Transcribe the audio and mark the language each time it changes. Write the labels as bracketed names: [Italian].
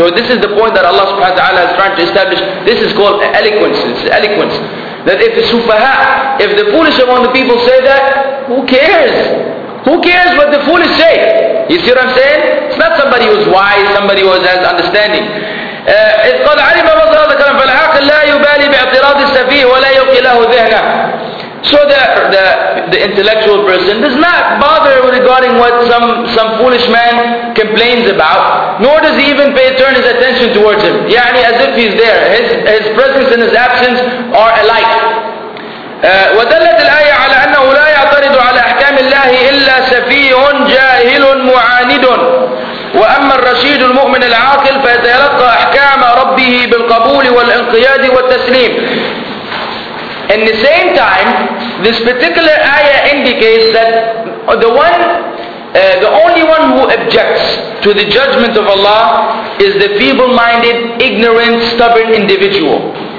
[English] So this is the point that Allah Subhanahu wa Taala is trying to establish. This is called eloquence. It's eloquence. That if the sufaha, if the foolish among the people say that, who cares? Who cares what the foolish say? You see what I'm saying? It's not somebody who's wise, somebody who has understanding. [Arabic] إذ قال علم مصدر هذا الكلام فالعاقل لا يبالي باعتراض السفيه ولا يبقي له ذهنه. [English] So the intellectual person does not bother regarding what some foolish man complains about, nor does he even turn his attention towards him. [Arabic] يعني [English] as if he's there. His presence and his absence are alike. [Arabic] ودلت الآية على أنه لا يعترض على أحكام الله إلا سفيه جاهل معاند. وأما الرشيد المؤمن العاقل فيتلقى أحكام ربه بالقبول والانقياد والتسليم. [English] In the same time, this particular ayah indicates that the only one who objects to the judgment of Allah is the feeble-minded, ignorant, stubborn individual.